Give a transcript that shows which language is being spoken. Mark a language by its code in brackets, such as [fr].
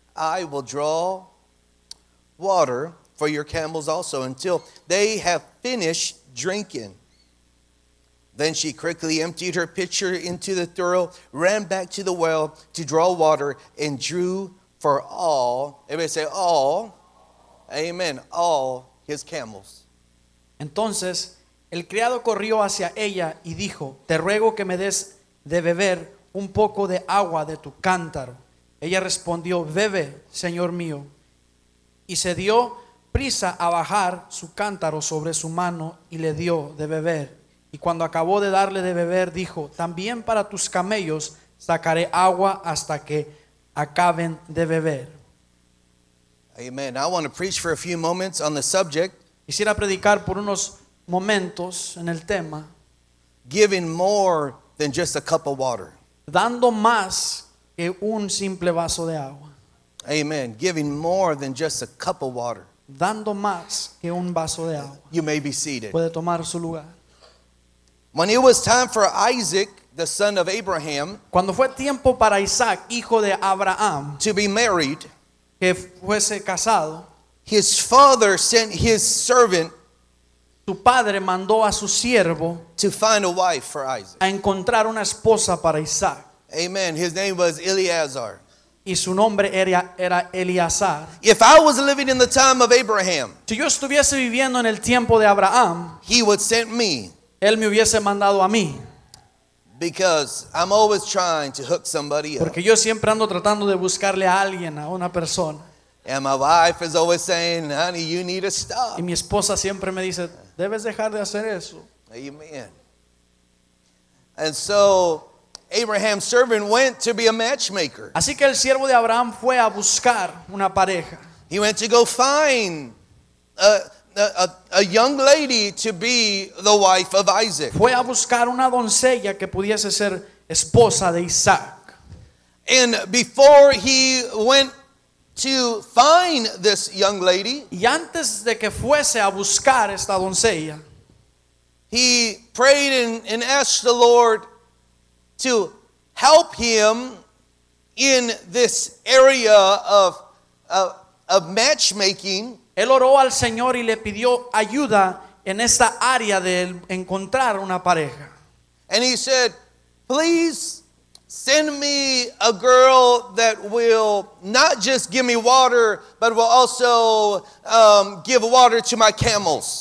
[en] "I will draw water for your camels also until they have finished drinking." Then she quickly emptied her pitcher into the thorough, ran back to the well to draw water, and drew for all. Everybody say all. Amen. All his camels. [es] Entonces, el criado corrió hacia ella y dijo, te ruego que me des de beber un poco de agua de tu cántaro. Ella respondió, bebe, señor mío. Y se dio prisa a bajar su cántaro sobre su mano y le dio de beber. Y cuando acabó de darle de beber, dijo, también para tus camellos sacaré agua hasta que acaben de beber. [en] Amen. I want to preach for a few moments on the subject. [es] Quisiera predicar por unos momentos en el tema. [en] Giving more than just a cup of water. [es] Dando más que un simple vaso de agua. [en] Amen. Giving more than just a cup of water. [es] Dando más que un vaso de agua. [en] You may be seated. [es] Puede tomar su lugar. [en] When it was time for Isaac, the son of Abraham, [es] cuando fue tiempo para Isaac, hijo de Abraham, [en] to be married, [es] que fuese casado, [en] his father sent his servant, [es] su padre mandó a su siervo, [en] to find a wife for Isaac, [es] a encontrar una esposa para Isaac. [en] Amen. His name was Eleazar. [es] Y su nombre era Eleazar. [en] If I was living in the time of Abraham, [es] si yo estuviese viviendo en el tiempo de Abraham, [en] he would send me. [es] Él me hubiese mandado a mí. [en] Because I'm always trying to hook somebody up. [es] Porque yo siempre ando tratando de buscarle a alguien, a una persona. [en] And my wife is always saying, honey, you need to stop. [es] Y mi esposa siempre me dice, debes dejar de hacer eso. [en] Amen. And so Abraham's servant went to be a matchmaker. [es] Así que el siervo de Abraham fue a buscar una pareja. [en] He went to go find a young lady to be the wife of Isaac. [es] Fue a buscar una doncella que pudiese ser esposa de Isaac. [en] And before he went to find this young lady, [es] y antes de que fuese a buscar esta doncella, [en] he prayed and asked the Lord to help him in this area of matchmaking. [es] Él oró al Señor y le pidió ayuda en esta área de encontrar una pareja. [en] And he said, please send me a girl that will not just give me water, but will also give water to my camels.